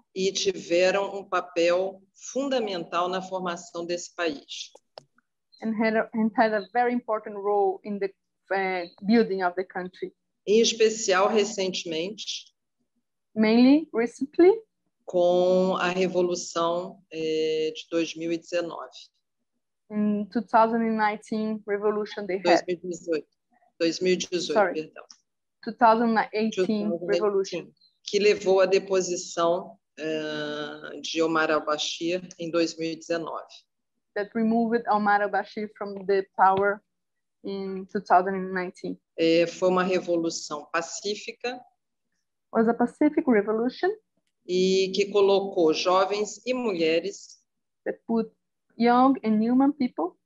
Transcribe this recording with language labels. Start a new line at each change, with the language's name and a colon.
Portuguese: E tiveram um papel fundamental na formação desse país.
English: And had a very important role in the building of the country.
Portuguese: Em especial recentemente.
English: Mainly recently.
Portuguese: Com a revolução de 2019.
English: In 2019 revolution they 2018 revolution.
Portuguese: Que levou à deposição de Omar al-Bashir em 2019.
English: That removed Omar al-Bashir from the power in 2019.
Portuguese: Foi uma revolução pacífica.
English: Was a pacific revolution.
Portuguese: E que colocou jovens e mulheres.
English: That put young and human people.